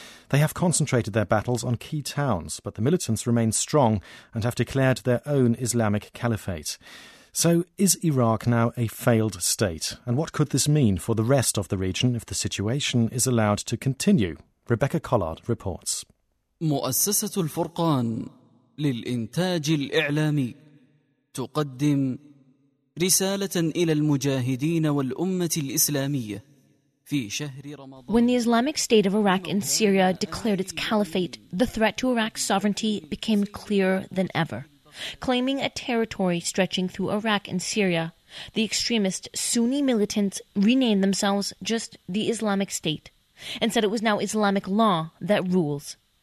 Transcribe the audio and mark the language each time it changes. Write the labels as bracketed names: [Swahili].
[English] They have concentrated their battles on key towns, but the militants remain strong and have declared their own Islamic caliphate. So is Iraq now a failed state? And what could this mean for the rest of the region if the situation is allowed to continue? Rebecca Collard reports. [Arabic] مؤسسة الفرقان للإنتاج الإعلامي تقدم رسالة إلى المجاهدين والأمة الإسلامية. [English] When the Islamic State of Iraq and Syria declared its caliphate, the threat to Iraq's sovereignty became clearer than ever. Claiming a territory stretching through Iraq and Syria, the extremist Sunni militants renamed themselves just the Islamic State and said it was now Islamic law that rules.